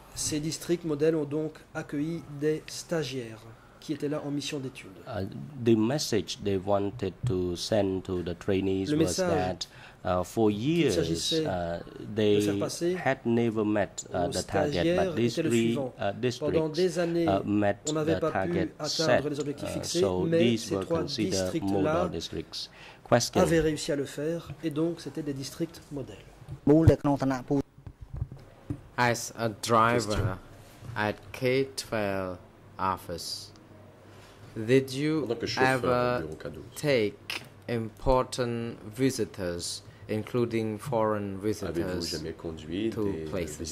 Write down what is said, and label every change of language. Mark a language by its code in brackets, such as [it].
[fr] Ces districts modèles ont donc accueilli des stagiaires. Qui était là en mission d'étude. [en] The message they wanted to send to the trainees was that for years they had never met the target, but these three districts met the target set. So these were considered modal districts. Question. [fr] Avaient réussi à le faire, et donc c'était des districts modèles. [en] As a driver at K-12 office. Did you ever take important visitors, including foreign visitors, to places?